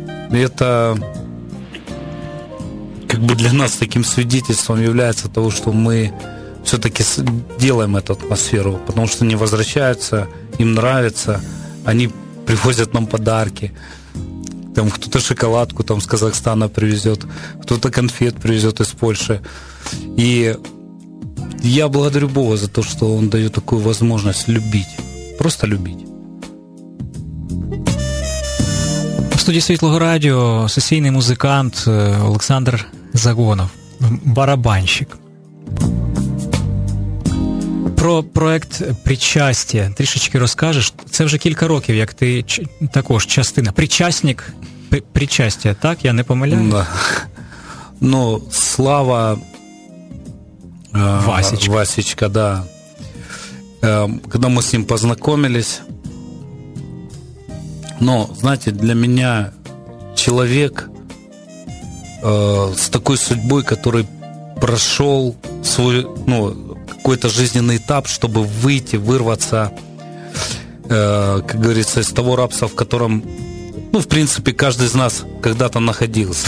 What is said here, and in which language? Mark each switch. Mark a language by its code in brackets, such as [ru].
[ru] И это как бы для нас таким свидетельством является того, что мы все-таки делаем эту атмосферу, потому что они возвращаются, им нравится, они привозят нам подарки. Там кто-то шоколадку там с Казахстана привезет, кто-то конфет привезет из Польши. И я благодарю Бога за то, что Он дает такую возможность любить. Просто любить. [uk] студії Світлого Радіо сесійний музикант Олександр Загонов, барабанщик. Про проєкт «Причастя» трішечки розкажеш. Це вже кілька років, як ти також частина. Причастник «Причастя», так? Я не помиляю? [ru] Да. Ну, слава Васечка. Васечка, да. Когда мы с ним познакомились, но, знаете, для меня человек с такой судьбой, который прошел свой, ну, какой-то жизненный этап, чтобы выйти, вырваться, как говорится, из того рабства, в котором, ну, в принципе, каждый из нас когда-то находился.